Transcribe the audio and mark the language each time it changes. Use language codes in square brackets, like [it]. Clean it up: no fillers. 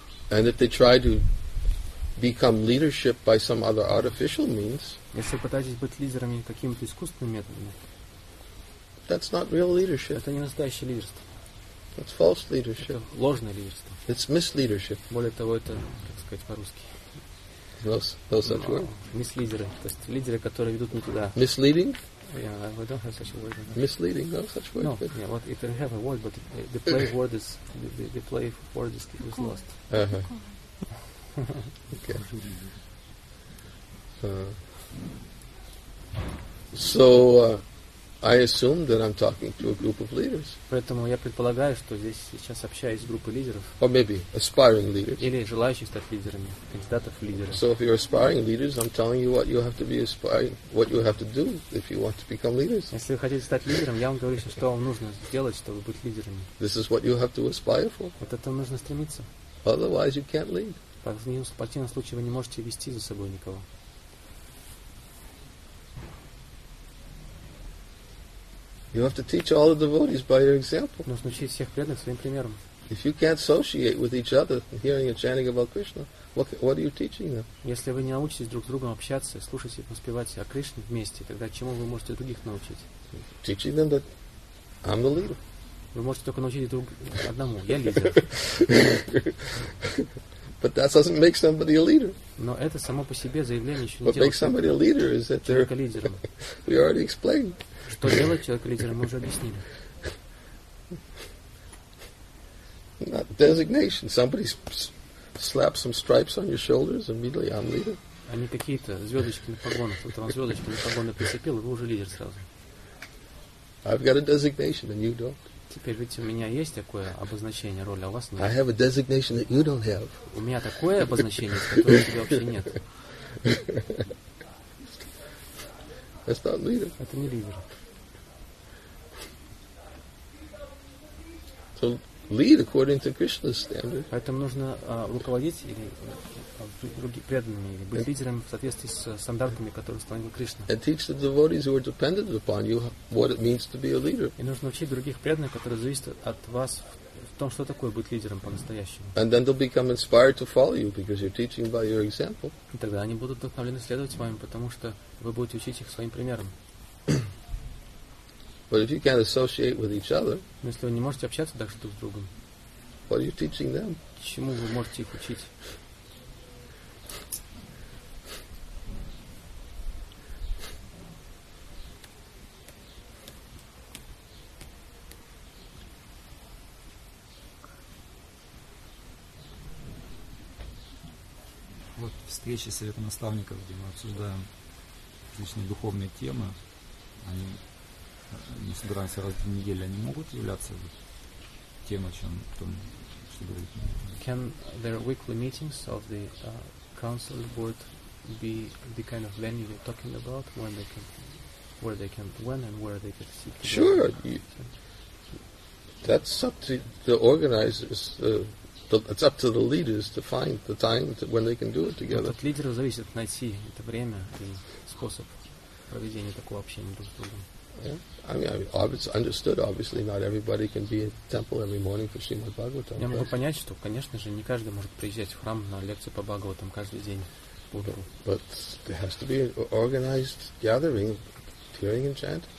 [en] And if they try to become leadership by some other artificial means. [ru] Если вы пытаетесь быть лидерами какими-то искусственными методами, [en] that's not real leadership. [ru] Это не настоящее лидерство. [en] That's false leadership. [ru] Это ложное лидерство. [en] It's misleadership. [ru] Более того, это, как сказать по-русски, мислидеры. То есть лидеры, которые ведут не туда. [en] Misleading? Yeah, we don't have such a word. Misleading, no such word. No, but yeah, what if we have a word, but the play word is the play word is lost. Uh-huh. Okay. I assume that I'm talking to a group of leaders. [ru] Поэтому я предполагаю, что здесь сейчас общаюсь с группой лидеров. [en] Or maybe aspiring leaders. [ru] Или желающих стать лидерами, кандидатов в лидеры. [en] So if you're aspiring leaders, I'm telling you what you have to be aspiring, what you have to do if you want to become leaders. [ru] Если вы хотите стать лидером, я вам говорю, что вам нужно сделать, чтобы быть лидерами. [en] This is what you have to aspire for. [ru] Вот это нужно стремиться. [en] Otherwise, you can't lead. [ru] В противном случае вы не можете вести за собой никого. [en] You have to teach all the devotees by your example. [ru] Нужно учить всех преданных своим примером. [en] If you can't associate with each other, hearing and chanting about Krishna, what are you teaching them? [ru] Если вы не научитесь друг с другом общаться, слушать и воспевать о Кришне вместе, тогда чему вы можете других научить? [en] Teaching them that I'm the leader. [ru] Вы можете только научить друг одному. Я лидер. [en] But that doesn't make somebody a leader. [ru] Но это само по себе заявление еще не делает. [en] What makes somebody a leader is that they're a leader. We already explained. [ru] Что делать человеку лидером, мы уже объяснили. [en] Not designation. Somebody slaps some stripes on your shoulders, immediately I'm leader. [ru] А не какие-то звездочки на погонах. Вот вам звездочки на погоны прицепил, и вы уже лидер сразу. [en] I've got a designation and you don't. [ru] Теперь ведь у меня есть такое обозначение роли, а у вас нет. [en] I have a designation that you don't have. [ru] У меня такое обозначение, которое у тебя вообще нет. [en] That's not leader. [ru] Это не лидер. [en] So lead according to Krishna's standard. [ru] Поэтому нужно руководить или другими преданными, или быть лидером в соответствии с стандартами, которые установил Кришна. [en] And teach the devotees who are dependent upon you what it means to be a leader. [ru] И нужно учить других преданных, которые зависят от вас, в том, что такое быть лидером по-настоящему. [en] And then they'll become inspired to follow you because you're teaching by your example. [ru] И тогда они будут вдохновлены следовать вам, потому что вы будете учить их своим примером. [en] But if you can't associate with each other, [ru] если вы не можете общаться так друг с другом, [en] what are you teaching them? [ru] Чему вы можете их учить? Вот встречи совета наставников, где мы обсуждаем различные духовные темы, они, мы собираемся раз в неделю, они могут являться вот тем, о чем там, что говорит. [en] Can their weekly meetings of the council board be the kind of venue you're talking about when they can, where they can, when and where they can seek? Sure. That's up to the organizers. It's up to the leaders to find the time to when they can do it together. [ru] От лидеров зависит найти это время и способ проведения такого общения друг с другом. [en] Yeah. I mean, it's understood, obviously, not everybody can be at temple every morning for Srimad Bhagavatam. [ru] Я могу понять, что, конечно же, не каждый может приезжать в храм на лекцию по Бхагаватам каждый день. [en] But there has to be an organized gathering, hearing and chant.